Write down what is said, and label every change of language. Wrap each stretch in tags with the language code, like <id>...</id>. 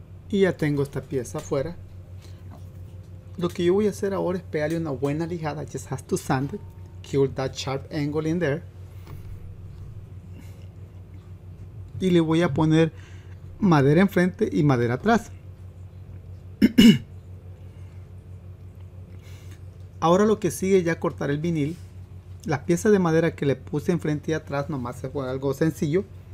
<es>Y ya tengo esta pieza afuera. Lo que yo voy a hacer ahora es pegarle una buena lijada.</es> <en>Just has to sand it. Cure that sharp angle in there.</en> <es>Y le voy a poner madera enfrente y madera atrás. Ahora lo que sigue es ya cortar el vinil. La pieza de madera que le puse enfrente y atrás nomás se fue algo sencillo.</es>